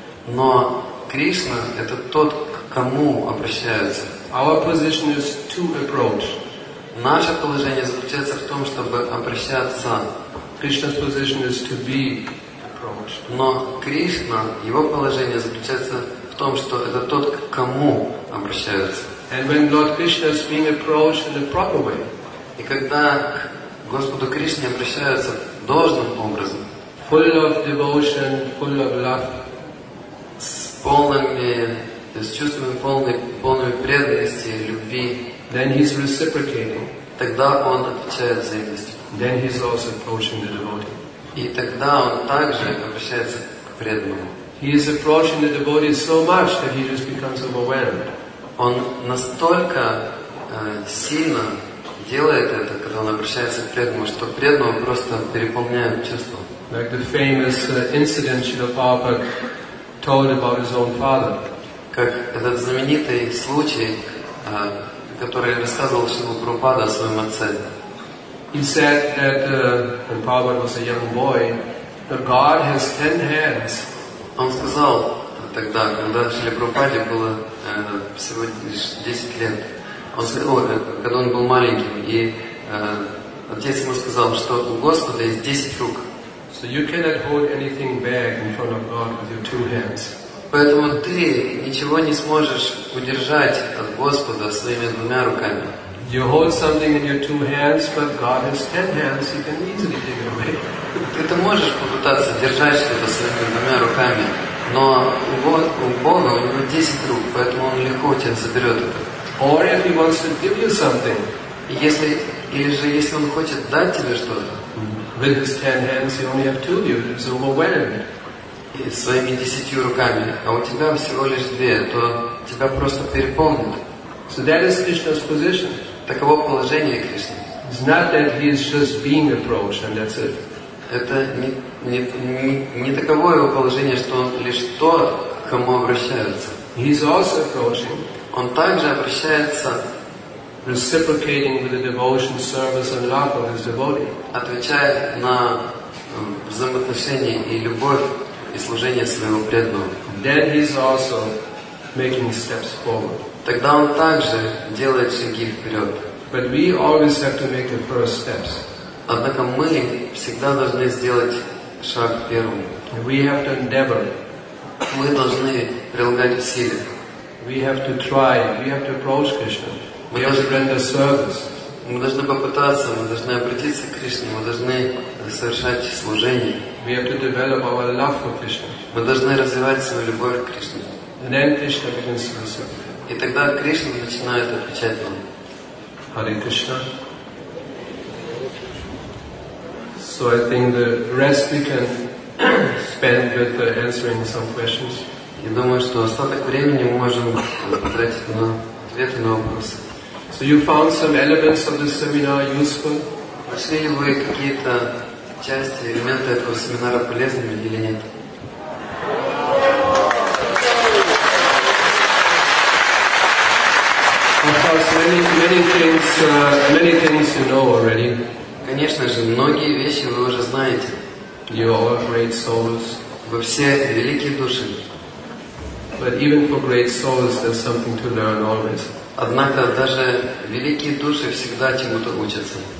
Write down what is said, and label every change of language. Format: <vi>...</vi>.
<ru>Но Кришна — это тот, к кому обращаются.</ru> <en>Our position is to approach.</en> <ru>Наше положение заключается в том, чтобы обращаться.</ru> <en>Krishna's position is to be.</en> <ru>Но Кришна, его положение заключается в том, что это тот, к кому обращаются.</ru> <en>And when Lord Krishna is being approached in a proper way.</en> <ru>И когда к Господу Кришне обращаются должным образом.</ru> <en>Full of devotion, full of love.</en> <ru>С полными, то есть чувствами полной преданности, любви.</ru> <en>Then he's reciprocating.</en> <ru>Тогда он отвечает взаимностью.</ru> <en>Then he's also approaching the devotee.</en> <ru>И тогда он также обращается к преданному.</ru> <en>He is approaching the devotee so much that he just becomes overwhelmed.</en> <ru>Он настолько сильно делает это, когда он обращается к преданному, что преданного просто переполняет чувство.</ru> <en>Like the famous incident Srila Prabhupada told about his own father.</en> <ru>Как этот знаменитый случай, который рассказывал Шрила Прабхупада о своем отце.</ru> <en>He said that when Prabhupada was a young boy, that God has 10 hands.</en> <ru>Он сказал тогда, когда Шриле Прабхупаде было всего лишь 10 лет. Он сказал, когда он был маленьким, и отец ему сказал, что у Господа есть 10 рук.</ru> <en>So you cannot hold anything back in front of God with your 2 hands.</en> <ru>Поэтому ты ничего не сможешь удержать от Господа своими двумя руками.</ru> <en>You hold something in your 2 hands, but God has 10 hands, you can easily take it away.</en> <ru>Ты это можешь попытаться держать что-то своими двумя руками, но у Бога у него 10 рук, поэтому он легко у тебя заберет это.</ru> <en>Or if he wants to give you something.</en> <ru>Если, или же если он хочет дать тебе что-то.</ru> <en>With his 10 hands, you only have 2, you're so overwhelmed.</en> <ru>И своими 10 руками, а у тебя всего лишь 2, то тебя просто переполнит.</ru> <en>So that is Krishna's position.</en> <ru>Таково положение Кришны.</ru> <en>It's not that he is just being approached and that's it.</en> <ru>Это не таково его положение, что он лишь тот, к кому обращается.</ru> <en>He is also approaching.</en> <ru>Он также обращается.</ru> <en>Reciprocating with the devotion, service and love of his devotee.</en> <ru>Отвечая на взаимоотношения и любовь и служение своего преданного.</ru> <en>Then he is also making steps forward.</en> <ru>тогда он также делает шаги вперед.</ru> <en>But we always have to make the first steps.</en> <ru>Однако мы всегда должны сделать шаг первым.</ru> <en>We have to endeavor.</en> <ru>Мы должны прилагать усилия.</ru> <en>We have to try. We have to approach Krishna. We have to render service.</en> <ru>Мы должны попытаться, мы должны обратиться к Кришне, мы должны совершать служение.</ru> <en>We have to develop our love for Krishna.</en> <ru>Мы должны развивать свою любовь к Кришне.</ru> <en>And then Krishna begins to answer.</en> <ru>И тогда Кришна начинает отвечать нам.</ru> <sa>Hare Krishna.</sa> <en>So I think the rest we can spend with answering some questions.</en> <ru>Я думаю, что остаток времени мы можем потратить на ответы на вопросы.</ru> <en>So you found some elements of this seminar useful?</en> <ru>Нашли ли вы какие-то части, элементы этого семинара полезными или нет?</ru> <en>Of course, many things you know already.</en> <ru>Конечно же, многие вещи вы уже знаете.</ru> <en>You are all great souls.</en> <ru>Вы все великие души.</ru> <en>But even for great souls, there's something to learn always.</en> <ru>Однако даже великие души всегда чему-то учатся.</ru>